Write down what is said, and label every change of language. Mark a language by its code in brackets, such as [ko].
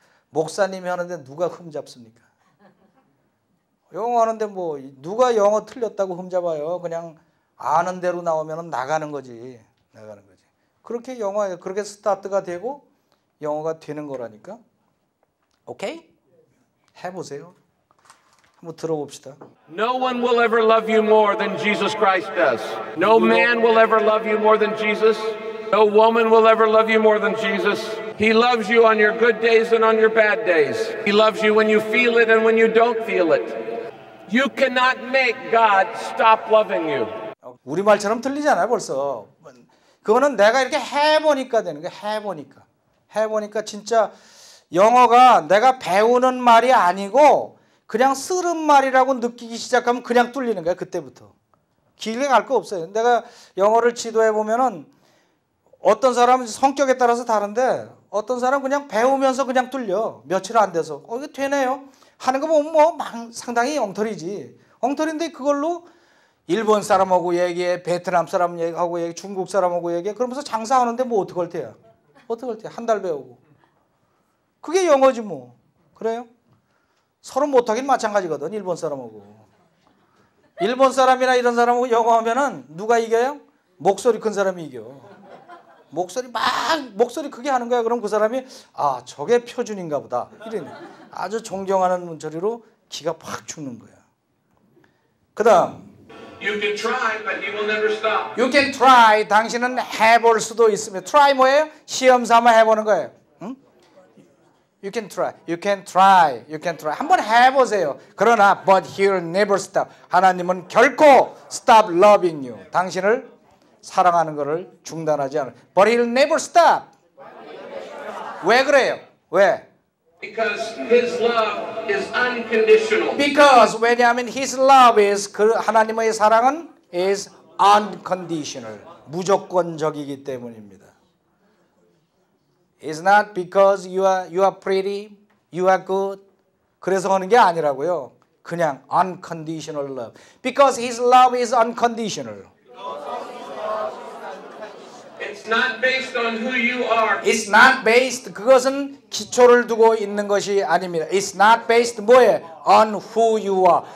[ko] 목사님이 하는데 누가 흠잡습니까? 영어 하는데 뭐 누가 영어 틀렸다고 흠잡아요. 그냥 아는 대로 나오면 나가는 거지. 나가는 거지. 그렇게 영어에 그렇게 스타트가 되고 영어가 되는 거라니까. 오케이? 해보세요. 한번 들어봅시다. [en] No one will ever love you more than Jesus Christ does. No man will ever love you more than Jesus. No woman will ever love you more than Jesus. He loves you on your good days and on your bad days. He loves you when you feel it and when you don't feel it. You cannot make God stop loving you. [ko] 우리 말처럼 들리잖아요, 벌써. 그거는 내가 이렇게 해보니까 되는 거야, 해보니까. 해보니까 진짜 영어가 내가 배우는 말이 아니고 그냥 쓰는 말이라고 느끼기 시작하면 그냥 뚫리는 거야, 그때부터. 길게 갈 거 없어요. 내가 영어를 지도해 보면은 어떤 사람은 성격에 따라서 다른데 어떤 사람은 그냥 배우면서 그냥 뚫려. 며칠 안 돼서. 이게 되네요. 하는 거 보면 상당히 엉터리지. 엉터리인데 그걸로 일본 사람하고 얘기해. 베트남 사람 얘기하고 얘기해. 중국 사람하고 얘기해. 그러면서 장사하는데 뭐 어떡할 테야. 어떡할 테야. 한 달 배우고. 그게 영어지 뭐. 그래요? 서로 못하긴 마찬가지거든. 일본 사람하고. 일본 사람이나 이런 사람하고 영어하면은 누가 이겨요? 목소리 큰 사람이 이겨. 목소리 막 목소리 크게 하는 거야. 그럼 그 사람이 아 저게 표준인가 보다 이러니 아주 존경하는 눈초리로 기가 팍 죽는 거야. 그 다음 [en] You can try but he will never stop. You can try. [ko] 당신은 해볼 수도 있습니다. Try 뭐예요? 시험 삼아 해보는 거예요. 응? [en] You can try. You can try. You can try. [ko] 한번 해보세요. 그러나 [en] but he will never stop. [ko] 하나님은 결코 [en] stop loving you. [ko] 당신을 사랑하는 것을 중단하지 않아요. [en] But he'll never stop. [ko] 왜 그래요? 왜? [en] Because his love is unconditional. Because [ko] 왜냐하면 [en] his love is [ko] 그 하나님의 사랑은 [en] is unconditional. [ko] 무조건적이기 때문입니다. [en] It's not because you are pretty, you are good. [ko] 그래서 하는 게 아니라고요. 그냥 [en] unconditional love. Because his love is unconditional. It's not based on who you are. It's not based. [ko] 그것은 기초를 두고 있는 것이 아닙니다. [en] It's not based [ko] 뭐에? [en] On who you are.